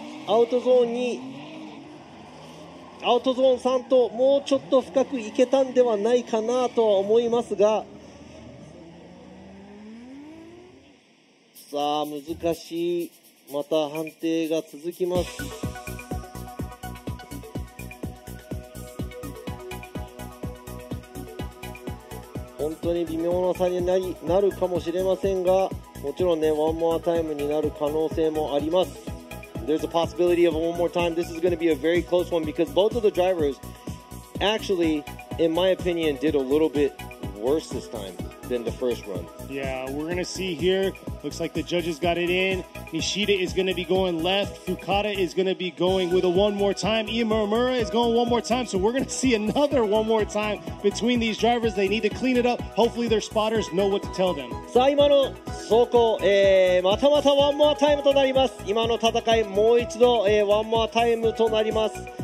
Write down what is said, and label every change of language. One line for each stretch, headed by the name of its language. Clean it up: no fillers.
Japanese: アウトゾーン2、アウトゾーン3ともうちょっと深く行けたんではないかなとは思いますが、さあ難しい、また判定が続きます。本当に微妙な差になるかもしれませんが、もちろんねワンモアタイムになる可能性もあります。
English: There's a possibility of one more time. This is going to be a very close one because both of the drivers actually in my opinion did a little bitworse this time than the first run. Yeah, we're going to see here. Looks like the judges got it in. Nishida is going to be going left. Fukada is going to be going with a one more time. Imamura is going one more time. So we're going to see another one more time between these drivers. They need to clean it up. Hopefully their spotters know what to tell them.
Japanese: さあ今の走行、またまたワンモアタイムとなります。今の戦いもう一度、ワンモアタイムとなります。